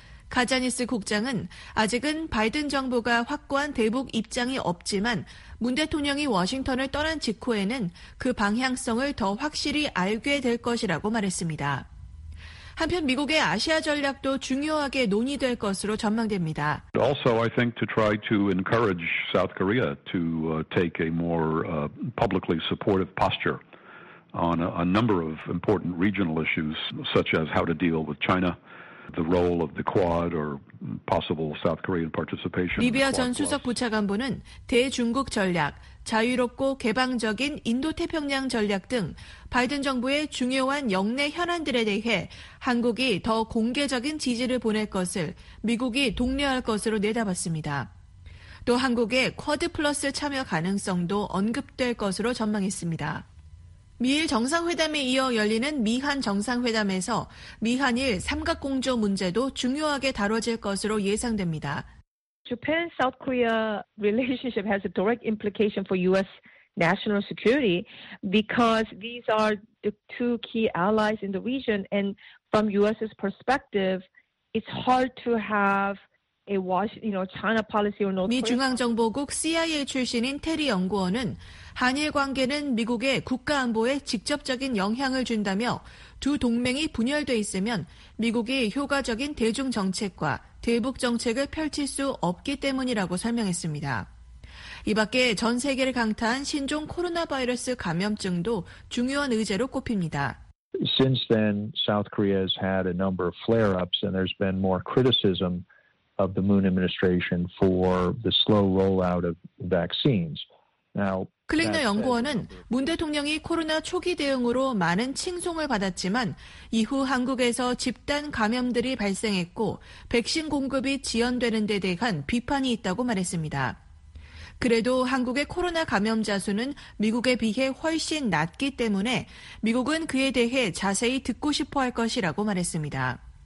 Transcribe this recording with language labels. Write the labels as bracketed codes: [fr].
[ko] 카자니스 국장은 아직은 바이든 정부가 확고한 대북 입장이 없지만 문 대통령이 워싱턴을 떠난 직후에는 그 방향성을 더 확실히 알게 될 것이라고 말했습니다. 한편 미국의 아시아 전략도 중요하게 논의될 것으로 전망됩니다. [en] Also, I think to try to encourage South Korea to take a more publicly supportive posture on a number of important regional issues, such as how to deal with China, the role of the Quad or possible South Korean participation. [ko] 리비아 전 수석 부차관보는 대중국 전략, 자유롭고 개방적인 인도태평양 전략 등 바이든 정부의 중요한 역내 현안들에 대해 한국이 더 공개적인 지지를 보낼 것을 미국이 독려할 것으로 내다봤습니다. 또 한국의 쿼드 플러스 참여 가능성도 언급될 것으로 전망했습니다. 미일 정상회담에 이어 열리는 미한 정상회담에서 미한일 삼각공조 문제도 중요하게 다뤄질 것으로 예상됩니다. [en] Japan South Korea relationship has a direct implication for US national security because these are the two key allies in the region and from US's perspective it's hard to have a China policy or North Korea. [ko] 미 중앙정보국 CIA 출신인 테리 연구원은 한일 관계는 미국의 국가 안보에 직접적인 영향을 준다며 두 동맹이 분열돼 있으면 미국이 효과적인 대중 정책과 대북 정책을 펼칠 수 없기 때문이라고 설명했습니다. 이 밖에 전 세계를 강타한 신종 코로나 바이러스 감염증도 중요한 의제로 꼽힙니다. [en] Since then, South Korea has had a number of flare-ups and there's been more criticism of the Moon administration for the slow rollout of vaccines. [ko] 클링너 연구원은 문 대통령이 코로나 초기 대응으로 많은 칭송을 받았지만 이후 한국에서 집단 감염들이 발생했고 백신 공급이 지연되는 데 대한 비판이 있다고 말했습니다. 그래도 한국의 코로나 감염자 수는 미국에 비해 훨씬 낮기 때문에 미국은 그에 대해 자세히 듣고 싶어 할 것이라고 말했습니다.